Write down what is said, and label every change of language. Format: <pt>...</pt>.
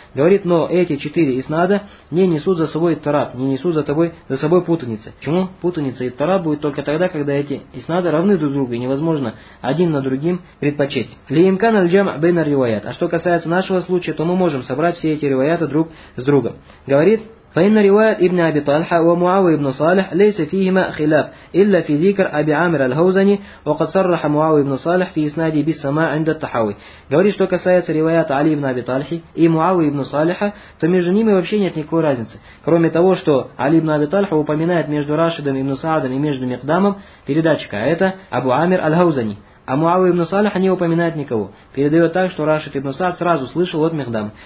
<ru>Говорит, но эти четыре иснада не несут за собой итраб, не несут за собой путаницы. Почему? Путаница и итраб будет только тогда, когда эти иснады равны друг другу, и невозможно один на другим предпочесть.</ru> <ar>Ли имкан аль-джам байна ар-риваят.</ar> <ru>А что касается нашего случая, то мы можем собрать все эти риваяты друг с другом. Говорит,</ru> <ar>فإن رواية ابن أبي طالح ومعاوية ابن صالح ليس فيهما خلاف إلا في ذكر أبي عامر الهوزني وقد صرح معاوية ابن صالح في إسناده بالسماع عند التحاوي.</ar> <ru>Говорит, что касается риваят Али ибн Аби Тальхи и Муавии ибн Салиха, то между ними вообще нет никакой разницы. Кроме того, что Али ибн Аби Тальха упоминает между Рашидом ибн Саадом и между Мирдамом передатчика, а это Абу Амир аль-Хаузани. А Муавия ибн Салиха не упоминает никого. Передает так, что Рашид ибн Саад сразу слышал от Мирдама.</ru>